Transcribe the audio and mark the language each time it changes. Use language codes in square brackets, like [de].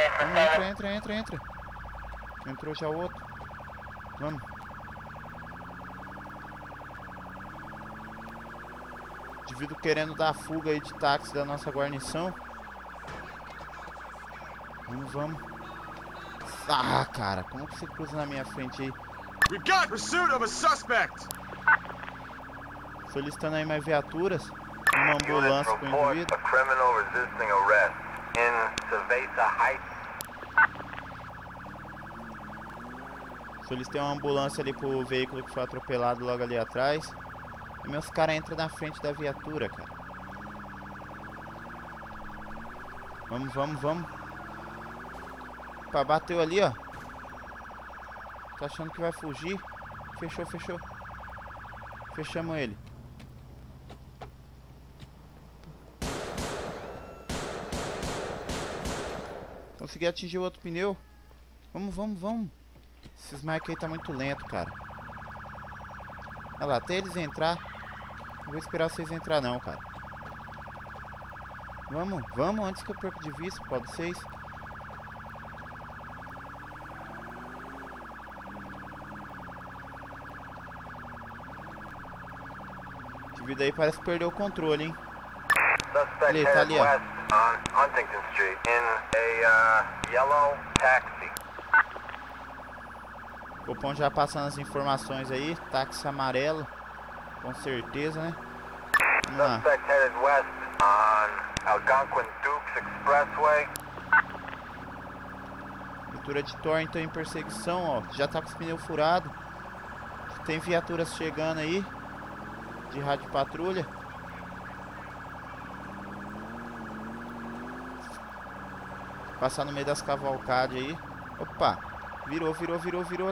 [pt] Entra, entra, entra, entra. Entrou já o outro. Vamos. Indivíduo querendo dar fuga aí de táxi da nossa guarnição. Vamos, vamos. Ah, cara, como que você cruza na minha frente aí? [en] We got pursuit of a suspect. [pt] Solicitando aí mais viaturas. Uma ambulância com o indivíduo. [en] Criminal resisting arrest in Cerveza Heights. [pt] Solicitei uma ambulância ali pro veículo que foi atropelado logo ali atrás. E meus caras entram na frente da viatura, cara. Vamos, vamos, vamos. Opa, bateu ali, ó. Tô achando que vai fugir. Fechou, fechou. Fechamos ele. Consegui atingir o outro pneu. Vamos, vamos, vamos. Esse Smack aí tá muito lento, cara. Olha lá, até eles entrar. Não vou esperar vocês entrar não, cara. Vamos, vamos, antes que eu perca de vista, pode vocês. Esse vídeo aí parece que perdeu o controle, hein. Ali, tá ali, ó. [en] Huntington Street, in a yellow taxi. [pt] O Pão já passando as informações aí, táxi amarelo, com certeza, né? [en] Suspect headed west on Algonquin Dukes Expressway. [pt] Viatura de Thornton em perseguição, ó. Já tá com os pneus furados. Tem viaturas chegando aí, de rádio patrulha. Passar no meio das cavalcadas aí. Opa! Virou, virou, virou, virou.